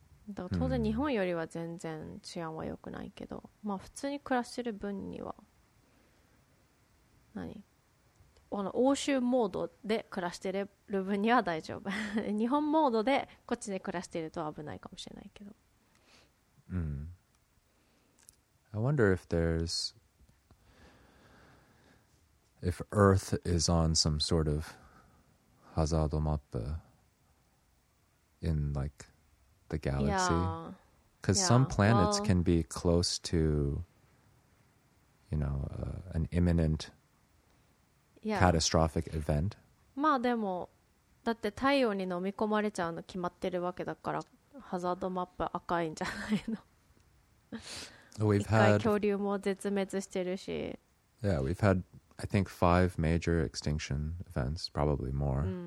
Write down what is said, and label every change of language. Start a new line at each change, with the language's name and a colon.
Japanese: だから当然日本よりは全然治安は良くないけど、うん、まあ普通に暮らしてる分には何あの欧州モードで暮らしてる分には大丈夫日本モードでこっちで暮らしてると危ないかもしれないけど、
English: うん、I wonder if there's if Earth is on some sort of hazard map in likeThe galaxy, because some planets can be close to, you know, an imminent catastrophic event.
Japanese: まあでもだって太陽に飲み込まれちゃうの決まってるわけだから、ハザードマップ赤いんじゃないの。
English: We've had
Japanese: 恐竜も絶滅してるし。
English: Yeah, we've had I think 5 major extinction events, probably more.